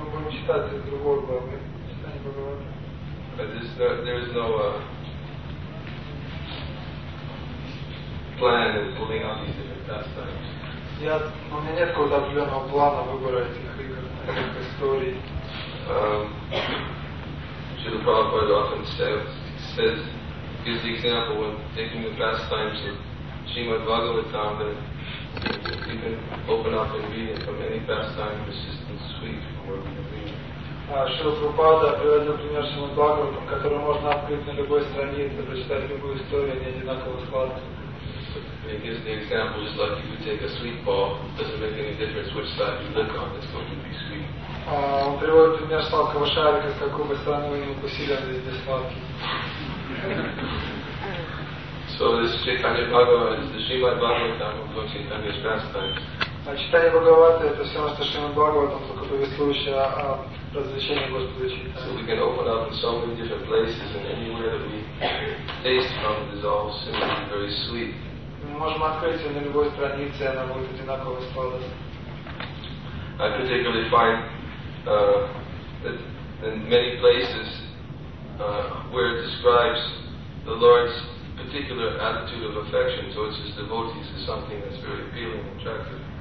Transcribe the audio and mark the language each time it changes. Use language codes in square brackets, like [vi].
[ru] читать из другого главы, читать Бхагавату. [en] But there's no plan of pulling out these different pastimes. [ru] Я, у меня нет какого-то определенного плана выбора этих игр, этих историй. [en] Srila Prabhupada often says, gives the example when taking the pastimes of Srimad Bhagavatam, that you can open up and read it from any pastime, it's just as sweet for the reading. [ru] Шрила Прабхупада приводил пример Шримад Бхагаватам, который можно открыть на любой странице, прочитать любую историю, они одинаково сладкие. [en] He gives the example just like you would take a sweet ball, it doesn't make any difference which side you look on, it's going to be sweet. [ru] Он приводит пример сладкого шарика, с какой бы стороны вы не укусили, он везде сладкий. [en] So this Chaitanya Bhagavata is the Srimad Bhagavatam of Lord Chaitanya's pastimes. [ru] А читание Бхагавата это все равно, что Шримад Бхагаватам, только повествующее о развлечении Господа Чайтаньи. [en] So we can open up in so many different places and anywhere that we taste from it is all similar, very sweet. [ru] Мы можем открыть ее на любой странице, она будет одинаково сладкой. [en] I particularly find that in many places where it describes the Lord's particular attitude of affection towards his devotees is something that's very appealing and attractive.